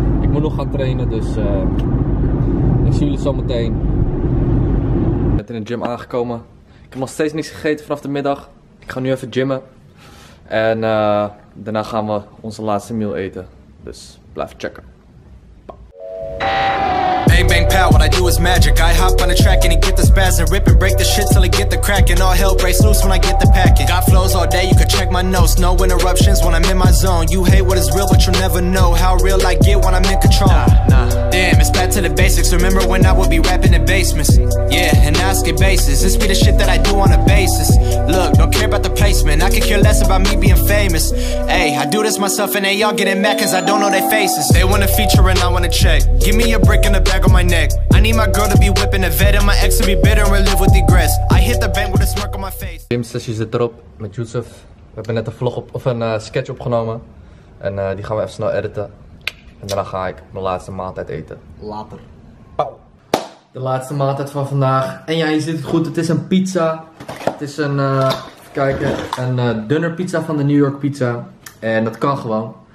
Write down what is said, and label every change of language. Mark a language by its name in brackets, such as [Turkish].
[Dutch] Ik moet nog gaan trainen, dus ik zie jullie zo meteen. Ik ben in de gym aangekomen. Ik heb nog steeds niks gegeten vanaf de middag. Ik ga nu even gymmen. En daarna gaan we onze laatste meal eten. Dus blijf checken. [English] Bang bang pow, what I do is magic. I hop on the track and it get the spaz and rip and break the shit till it get the crack. And all hell breaks loose when I get the packing. Got flows all day, you can check my notes. No interruptions when I'm in my zone. You hate what is real, but you'll never know how real I get when I'm in control. Nah. Damn, it's back to the basics. Remember when I would be rapping in basements? Yeah, and now I skip bases. This be the shit that I do on a basis. Look, don't care about the placement. I could care less about me being famous. Ay, I do this myself and they all getting mad cause I don't know their faces. They want a feature and I want a check. Give me a brick and a bag on my neck. I need my girl to be whipping a vet and my ex to be bitter and live with regrets. I hit the bank with a smirk on my face. [Dutch] Gym sessie zit erop met Yusuf. We hebben net een vlog op, of een sketch opgenomen. En die gaan we even snel editen. En daarna ga ik mijn laatste maaltijd eten. Later. Pauw. De laatste maaltijd van vandaag. En ja, je ziet het goed. Het is een pizza. Het is een, even kijken. Een dunner pizza van de New York Pizza. En dat kan gewoon.